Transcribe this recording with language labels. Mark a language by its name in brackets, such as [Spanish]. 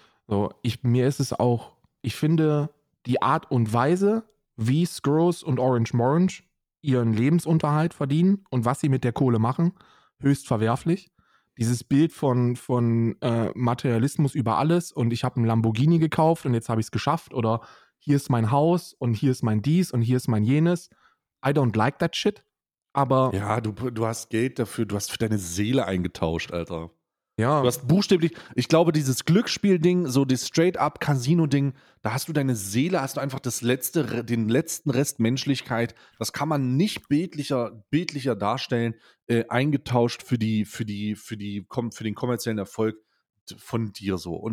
[German] So, ich finde die Art und Weise, wie Skrulls und Orange Morange ihren Lebensunterhalt verdienen und was sie mit der Kohle machen, höchst verwerflich. Dieses Bild von Materialismus über alles und ich habe einen Lamborghini gekauft und jetzt habe ich es geschafft oder hier ist mein Haus und hier ist mein dies und hier ist mein jenes. [English] I don't like that shit, aber... [German] Ja, du hast Geld dafür, du hast für deine Seele eingetauscht, Alter. Ja. Du hast buchstäblich, ich glaube, dieses Glücksspiel-Ding, so das Straight-Up-Casino-Ding, da hast du deine Seele, hast du einfach den letzten Rest Menschlichkeit, das kann man nicht bildlicher darstellen, eingetauscht für den kommerziellen Erfolg von dir so.